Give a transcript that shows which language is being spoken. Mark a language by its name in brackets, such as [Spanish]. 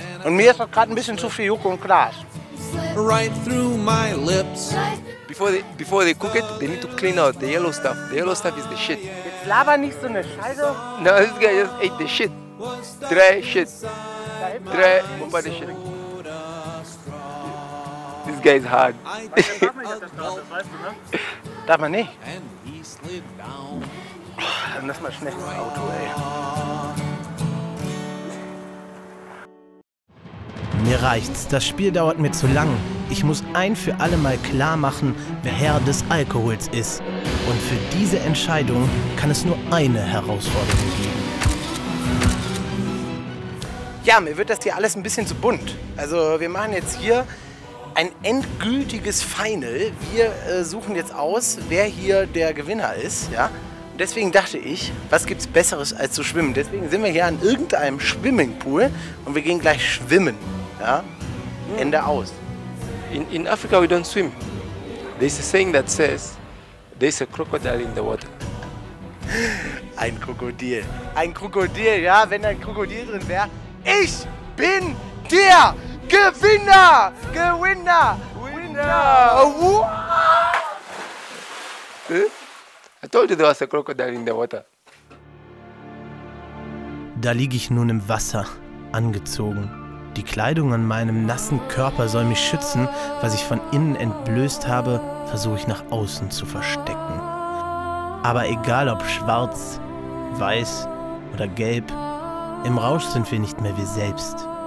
[German] Und mir ist gerade ein bisschen zu viel Joko und Klaas. [English] Right through my lips. Before they cook it, they need to clean out the yellow stuff. The yellow stuff is the shit. [German] Jetzt laber nicht so eine Scheiße. [English] No, this guy just ate the shit. Drei shit. Drei Mopane shit. This guy is hard. [German] Darf man nicht. Dann lass mal schnell ins Auto, ey. Mir reicht's, das Spiel dauert mir zu lang. Ich muss ein für alle Mal klar machen, wer Herr des Alkohols ist. Und für diese Entscheidung kann es nur eine Herausforderung geben. Ja, mir wird das hier alles ein bisschen zu bunt. Also wir machen jetzt hier ein endgültiges Final. Wir suchen jetzt aus, wer hier der Gewinner ist. Ja? Und deswegen dachte ich, was gibt's Besseres als zu schwimmen? Deswegen sind wir hier an irgendeinem Swimmingpool und wir gehen gleich schwimmen. Ja? Ende aus. [English] In Africa we don't swim. There's a saying that says there's a crocodile in the water. [German] Ein Krokodil. Ein Krokodil, ja, wenn ein Krokodil drin wäre. Ich bin der Gewinner! Gewinner! [English] Winner! I told you there was a crocodile in the water. [German] Da liege ich nun im Wasser, angezogen. Die Kleidung an meinem nassen Körper soll mich schützen. Was ich von innen entblößt habe, versuche ich nach außen zu verstecken. Aber egal ob schwarz, weiß oder gelb. Im Rausch sind wir nicht mehr wir selbst.